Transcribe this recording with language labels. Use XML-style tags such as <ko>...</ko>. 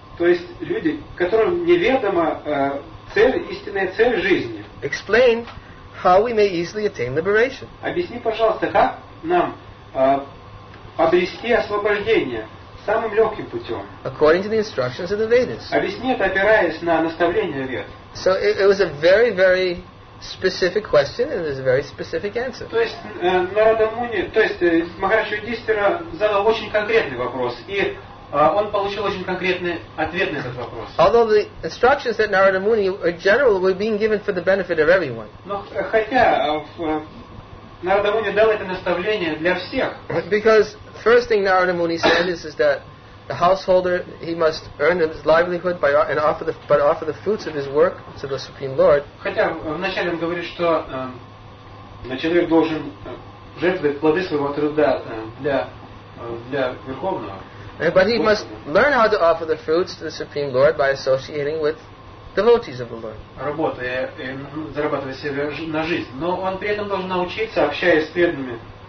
<ru>То есть люди, которым неведома цель, истинная цель жизни.</ru> <en>Explain how we may easily attain liberation.</en> <ru>Объясни, пожалуйста, как нам обрести освобождение самым легким путем.</ru> <en>According to the instructions of the Vedas.</en> <ru>Объясни это, опираясь на наставления Вед.</ru> <en>So it was a very, very specific question, and there's a very specific answer.</en> <ru>То есть Нарада Муни, то есть Махарши Юдистхира задал очень конкретный вопрос, и он получил очень конкретный ответ на этот вопрос.</ru> <en>Although the instructions that Narada Muni are general were being given for the benefit of everyone.</en> <ru>Но хотя Нарада Муни дал это наставление для всех.</ru> <en>Because first thing Narada Muni said is that the householder, he must earn his livelihood by and offer the but offer the fruits of his work to the Supreme Lord.</en> <ru>Хотя вначале он говорит, что человек должен жертвовать плоды своего труда для верховного.</ru> <en>But he must learn how to offer the fruits to the Supreme Lord by associating with devotees of the Lord.</en> <ru>Работая и зарабатывая себе на жизнь. Но он при этом должен научиться, общаясь с преданными.</ru>